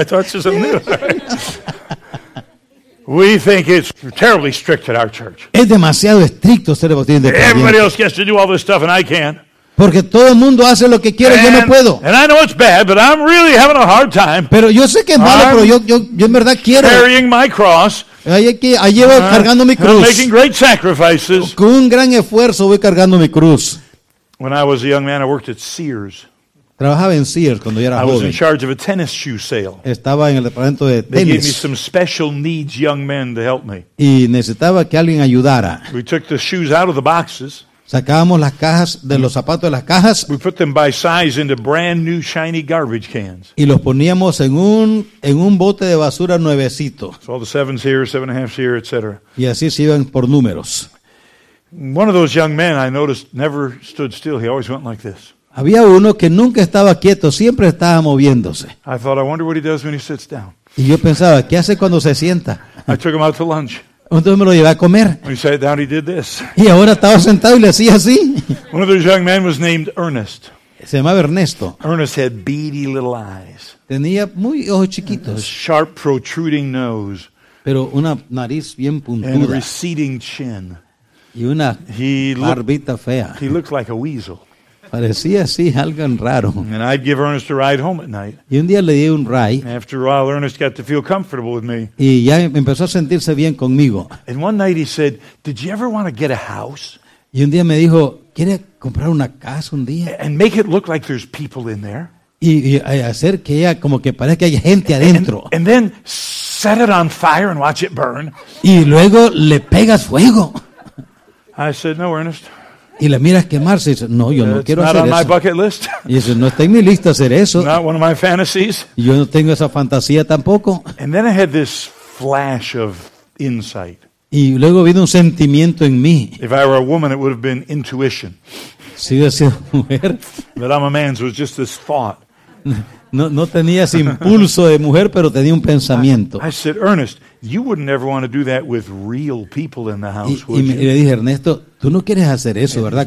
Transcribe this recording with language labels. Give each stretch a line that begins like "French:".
English: I taught you something new. We think it's terribly strict at our church.
Spanish: Es demasiado estricto ser bautista independiente.
English: Everybody else gets to do all this stuff and I can't.
Spanish: Porque todo el mundo hace lo que quiere y yo no puedo.
English: And I know it's bad, but I'm really having a hard time.
Spanish: Pero yo sé que es malo, pero yo en verdad quiero.
English: Carrying my cross.
Spanish: Ahí llevo cargando mi cruz.
English: I'm making great sacrifices.
Spanish: Con un gran esfuerzo voy cargando mi cruz.
English: When I was a young man, I worked at Sears.
Spanish: Trabajaba en Sears cuando yo era joven.
English: I was in charge of a tennis shoe sale.
Spanish: Estaba en el departamento de tenis.
English: They gave me some special needs young men to help me.
Spanish: Y necesitaba que alguien ayudara.
English: We took the shoes out of the boxes.
Spanish: Sacábamos las cajas de los zapatos de las cajas.
English: We put them by size into brand new shiny garbage cans.
Spanish: Y los poníamos en un bote de basura nuevecito.
English: So all the sevens here, seven and a half here, etc.
Spanish: Y así se iban por números.
English: One of those young men I noticed never stood still. He always went like this.
Spanish: Había uno que nunca estaba quieto, siempre estaba moviéndose.
English: I thought, I wonder what he does when he sits down.
Spanish: Y yo pensaba, ¿qué hace cuando se sienta?
English: I took him out to lunch.
Spanish: Entonces me lo llevé a comer.
English: When he sat down, he did this.
Spanish: Y ahora estaba sentado y le hacía así.
English: One of those young men was named Ernest.
Spanish: Se llamaba Ernesto.
English: Ernest had beady little eyes.
Spanish: Tenía muy ojos chiquitos.
English: A sharp, protruding nose.
Spanish: Pero una nariz bien puntuda.
English: And a receding chin.
Spanish: Y una barbita fea.
English: He looked like a weasel.
Spanish: Parecía así, algo raro.
English: And I'd give Ernest a ride home at night.
Spanish: Y un día le di un ride.
English: After a while, Ernest got to feel comfortable with me.
Spanish: Y ya empezó a sentirse bien conmigo.
English: And one night he said, "Did you ever want to get a house?"
Spanish: Y un día me dijo, "¿Quiere comprar una casa un día?"
English: And make it look like there's people in there.
Spanish: Y hacer que ella como que parezca que hay gente adentro.
English: And then set it on fire and watch it burn.
Spanish: Y luego le pegas fuego.
English: I said, "No, Ernest."
Spanish: Y la miras quemarse y dice, no, yo no quiero hacer eso.
English: My bucket list.
Spanish: Y dice, no está en mi lista hacer eso.
English: Not one of my fantasies.
Spanish: Y yo no tengo esa fantasía tampoco.
English: And then I had this flash of insight.
Spanish: Y luego vino un sentimiento en mí.
English: If I were a woman, it would have been intuition.
Spanish: Si hubiera sido mujer.
English: But I'm a man, so it was just this thought.
Spanish: No, no tenía ese impulso de mujer, pero tenía un pensamiento.
English: I said, "Ernest, you wouldn't ever want to do that with real people in the house, would you?"
Spanish: Y le dije, Ernesto, tú no quieres hacer eso, ¿verdad?